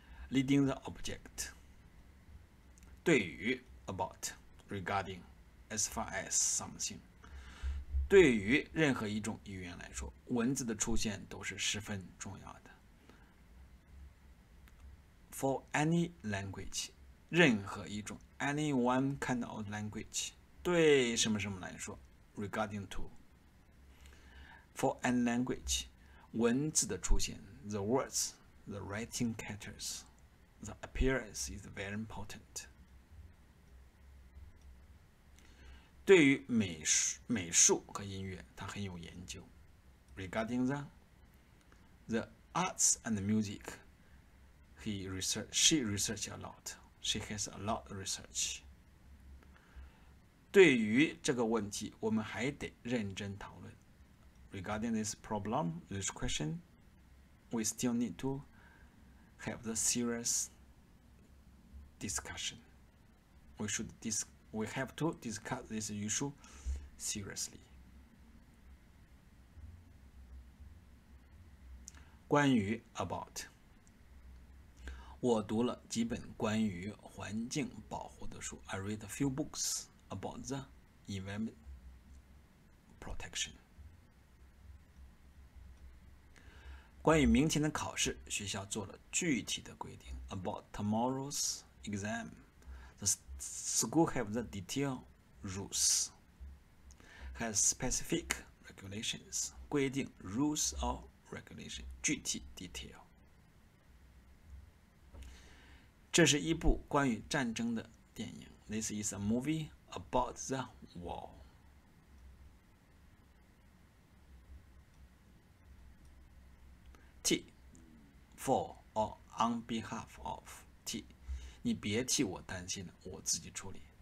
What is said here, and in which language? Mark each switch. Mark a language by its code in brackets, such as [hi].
[en] Leading the object, 对于, about, regarding, as far as something. [zh] 对于任何一种语言来说, 文字的出现都是十分重要的. [en] For any language, [zh] 任何一种, [en] any one kind of language, [zh] 对什么什么来说, [en] regarding to. For any language, [zh] 文字的出现, [en] the words, the writing characters, the appearance is very important. [zh] 对于美术和音乐, 他很有研究. [en] Regarding the arts and the music, she researched a lot. She has a lot of research. [zh] 对于这个问题, 我们还得认真讨论. [en] Regarding this problem, this question, we still need to have the serious discussion. We have to discuss this issue seriously. [zh] 关于, about. 我读了几本关于环境保护的书. [en] I read a few books about the environment protection. [zh] 关于明天的考试, 学校做了具体的规定. [en] About tomorrow's exam, the school have the detailed rules, has specific regulations, 规定, rules or regulation, 具体, detail. [zh] 这是一部关于战争的电影. [en] This is a movie about the war. [zh] 替, [en] for or on behalf of, [zh] 替, 你别替我担心, 我自己处理.